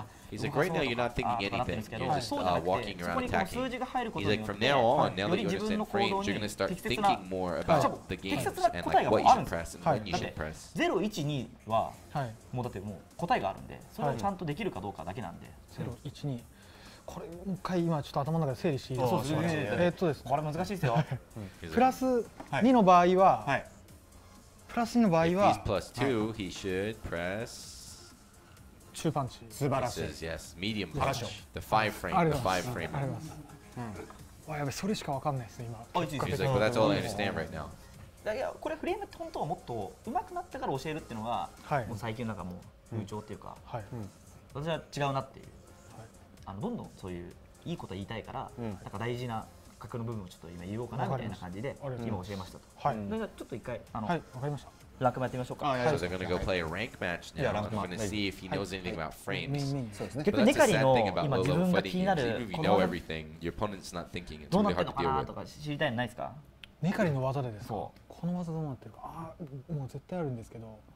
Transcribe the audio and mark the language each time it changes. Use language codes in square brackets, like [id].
[en] He's like, right now you're not thinking anything. You're just walking around attacking. He's like, from now on, now that you understand frames, you're going to start thinking more about the games and like what you should press and when you should press. [ja] 0、1、2はもうだってもう答えがあるんで、それをちゃんとできるかどうかだけなんで。 0、1、2。これ一回今ちょっと頭の中で整理していいですか。そうですね。ですね、これ難しいですよ。プラス2の場合は、はい、プラス2の場合は、プラス2、 [en] he should press [ja] 中パンチ。素晴らしい。 [en] Says, yes, medium punch. The five frame. [ja] あります。ありがとうございます。ありがとうございます。うん。やべ、それしかわかんないですね今。あ、いいですね。 [en] That's all I understand right now. [ja] いや、これフレームって本当はもっと上手くなってから教えるっていうのが、はい、もう最近なんかもう風潮っていうか、うん、はい、私は違うなっていう。あのどんどんそういういいことを言いたいから、うん、なんか大事な格の部分をちょっと今言おうかなみたいな感じで今教えましたと。はい、じゃあちょっと一回はい、わかりました。ランクマやってみましょうか。 [en] あ、yeah, so they're gonna go play a rank match now. We're gonna see if he knows anything about frames. [ja] そうですね。結局ネカリの今自分が気になる。 [en] You know everything. Your opponent's not thinking. It's really hard to deal with. [ja] どうなってるのかなとか知りたいのないですか？ネカリの技でですか？この技どうなってるか。ああ、もう絶対あるんですけど。